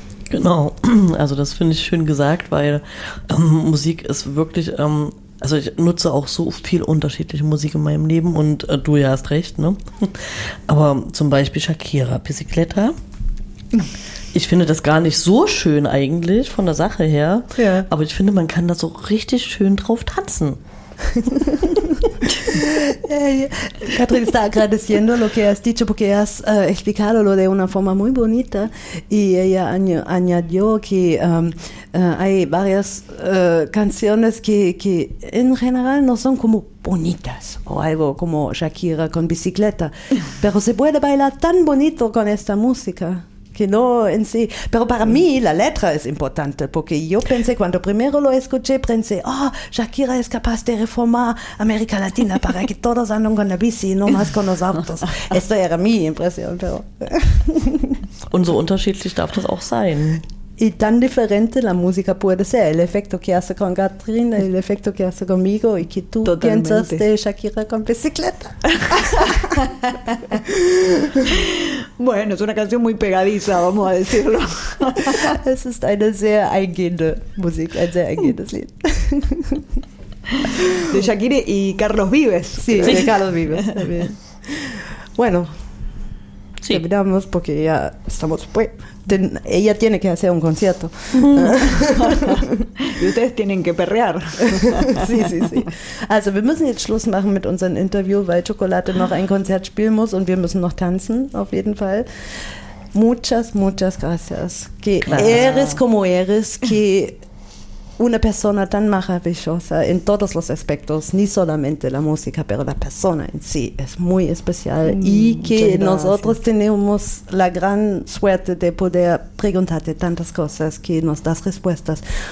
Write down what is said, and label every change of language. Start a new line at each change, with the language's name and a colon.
German: Genau, also das finde ich schön gesagt, weil Musik ist wirklich, also ich nutze auch so viel unterschiedliche Musik in meinem Leben, und du ja hast recht, ne? Aber zum Beispiel Shakira, Bicicleta. Ich finde das gar nicht so schön eigentlich von der Sache her, ja. Aber ich finde, man kann da so richtig schön drauf tanzen.
Spanish: Catherine está agradeciendo lo que has dicho porque has explicado lo de una forma muy bonita y ella añadió que hay varias canciones que en general no son como bonitas o algo como Shakira con bicicleta, pero se puede bailar tan bonito con esta música. Que no en sí, pero para mí la letra es importante, porque yo pensé, cuando primero lo escuché, pensé, oh, Shakira es capaz de reformar América Latina para que todos anden con la bici y no más con los autos. Esto era mi impresión, pero...
German: Und so unterschiedlich darf das auch sein.
Spanish: Y tan diferente la música puede ser, el efecto que hace con Katrin, el efecto que hace conmigo y que tú piensas de Shakira con bicicleta. Bueno, es una canción muy pegadiza, vamos a decirlo. Es una
German: sehr eingehende Musik, ein sehr eingehendes Lied.
Spanish: De Shakira y Carlos Vives. Sí, sí. De Carlos Vives. Bueno, sí. Terminamos porque ya estamos pues. Ella tiene que hacer un concierto. Y ustedes tienen que perrear. Sí, sí, sí.
German: Also, wir müssen jetzt Schluss machen mit unserem Interview, weil Chocolate noch ein Konzert spielen muss und wir müssen noch tanzen, auf jeden Fall.
Spanish: Muchas, muchas gracias. Que eres como eres, que una persona tan maravillosa en todos los aspectos, ni solamente la música, pero la persona en sí es muy especial y que nosotros tenemos la gran suerte de poder preguntarte tantas cosas que nos das respuestas.